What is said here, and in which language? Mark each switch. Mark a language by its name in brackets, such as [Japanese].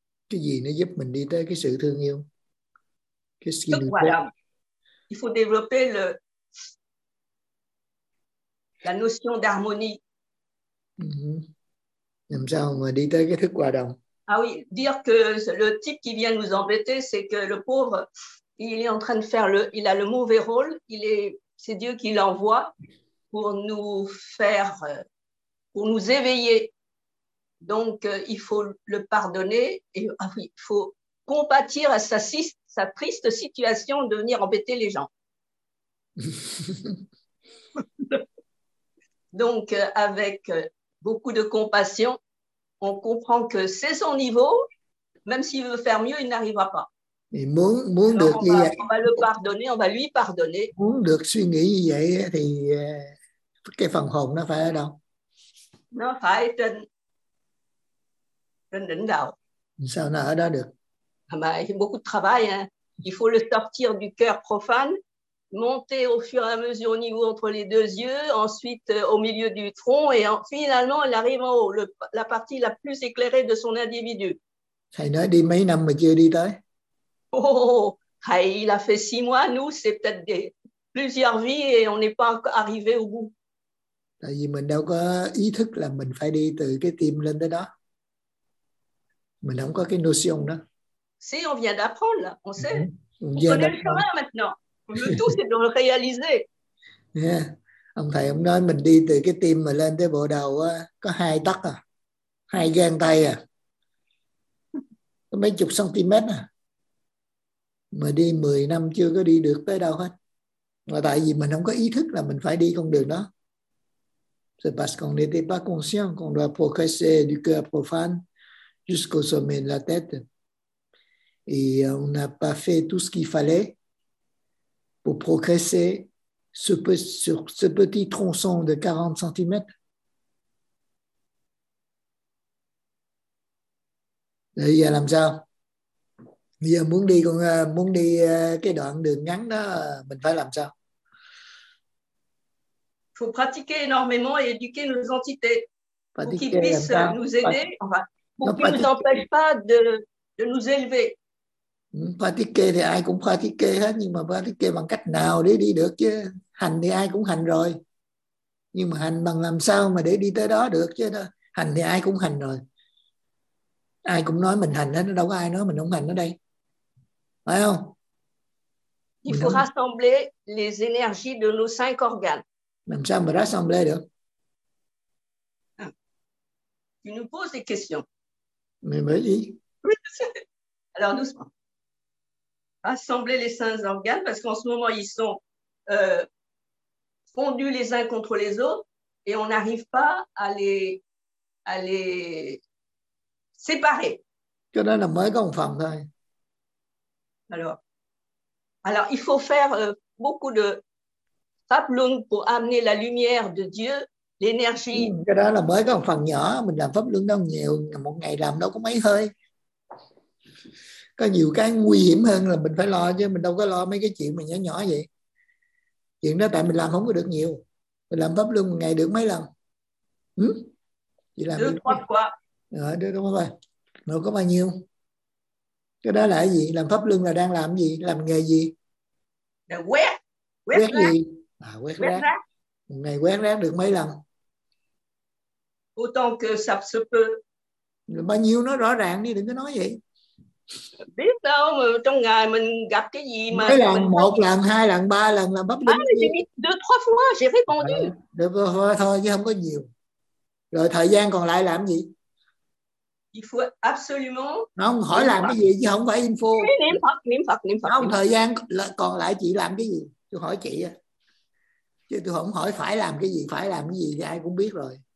[Vietnamese] Cái gì nó giúp mình đi tới cái sự thương yêu? Cái skill. Đức hòa đồng. [French] il faut développer le la notion d'harmonie. [Vietnamese] Làm sao mà đi tới cái thức hòa đồng? [French] Ah oui, dire que le type qui vient nous embêter, c'est que le pauvre, il est en train de faire le, il a le mauvais rôle. Il est, c'est Dieu qui l'envoie pour nous faire, pour nous éveiller. Donc il faut le pardonner et ah oui, il faut compatir à sa triste situation de venir embêter les gens. Donc avec beaucoup de compassion, on comprend que c'est son niveau, même s'il veut faire mieux, il n'arrivera pas. [Vietnamese] Et muốn, muốn [French] alors, [Vietnamese] được [French] on, va, on va le pardonner, on va lui pardonner. [Vietnamese] Muốn được suy nghĩ như vậy thì cái phần hồn nó phải ở đâu? Nó phải trên đỉnh đầu. Sao nó ở đó được? [French] Mais beaucoup de travail, hein. Il faut le sortir du cœur profane, monter au fur et à mesure au niveau entre les deux yeux, ensuite au milieu du tronc, et en, finalement, elle arrive en haut, le, la partie la plus éclairée de son individu. [Vietnamese] Thầy nói đi mấy năm mà chưa đi tới. [French] Oh, il a fait 6 mois, nous, c'est peut-être des, plusieurs vies et on n'est pas arrivé au bout. [Vietnamese] Tại vì mình đâu có ý thức là mình phải đi từ cái tim lên tới đó. Mình không có cái notion đó. [French] Si, on vient d'apprendre, là. On sait. Mm-hmm. On connaît le chemin maintenant. Le tout, c'est de le réaliser. [English] Yeah. [Vietnamese] Ông thầy, ông nói mình đi từ cái tim mà lên tới bộ đầu có hai tấc à. Hai gang tay à. Có mấy chục centimet à. Mà đi 10 năm chưa có đi được tới đâu hết. Mà tại vì mình không có ý thức là mình phải đi con đường đó. [French] C'est parce qu'on n'était pas conscient qu'on doit progresser du cœur profane jusqu'au sommet de la tête. Et on n'a pas fait tout ce qu'il fallait pour progresser sur ce petit tronçon de 40 cm. [Vietnamese] Là giờ làm sao? Bây giờ muốn đi con muốn đi cái đoạn đường ngắn đó mình phải làm sao? [French] Il faut pratiquer énormément et éduquer nos entités pour qu'ils puissent nous aider, pour qu'ils ne nous empêchent pas de nous élever. [Vietnamese] Pratiquer thì ai cũng pratiquer hết, nhưng mà pratiquer bằng cách nào để đi được chứ? Hành thì ai cũng hành rồi, nhưng mà hành bằng làm sao mà để đi tới đó được chứ? Hành thì ai cũng hành rồi, ai cũng nói mình hành hết, đâu có ai nói mình không hành ở đây, phải không? [French] Il faut rassembler les énergies de nos 5 organes. [Vietnamese] Làm sao mà rassembler được? [French] Tu nous poses des questions. Mais vas-y. Alors doucement. Assembler les 5 organes, parce qu'en ce moment, ils sont fondus les uns contre les autres et on n'arrive pas à les séparer. [Vietnamese] Cho nên là mới có một phần thôi. [French] Alors, il faut faire beaucoup de pháp-luân pour amener la lumière de Dieu, l'énergie. [Vietnamese] Cho đó là mới có một phần nhỏ, mình làm pháp-luân đâu nhiều, một ngày làm đâu có mấy hơi. Có nhiều cái nguy hiểm hơn là mình phải lo chứ, mình đâu có lo mấy cái chuyện mà nhỏ nhỏ vậy. Chuyện đó tại mình làm không có được nhiều. Mình làm pháp luân một ngày được mấy lần? Chỉ làm 2-3 quá. Rồi, đúng rồi. Rồi có bao nhiêu? Cái đó là cái gì? Làm pháp luân là đang làm gì? Làm nghề gì? Là quét. Quét gì? À, quét rác. Một ngày quét rác được mấy lần? [French] Autant que ça se peut. [Vietnamese] Bao nhiêu nó rõ ràng đi, đừng có nói vậy. Biết đâu mà trong ngày mình gặp cái gì mà cái lần một lần hai lần ba lần là bắp đúng gì [French] 2-3 fois j'ai répondu [Vietnamese] thôi chứ không có nhiều. Rồi thời gian còn lại làm gì? [French] Il faut absolument [Vietnamese] không hỏi làm cái gì chứ không phải info. Niệm Phật không, thời gian còn lại chị làm cái gì? Tôi hỏi chị chứ tôi không hỏi phải làm cái gì thì ai cũng biết rồi.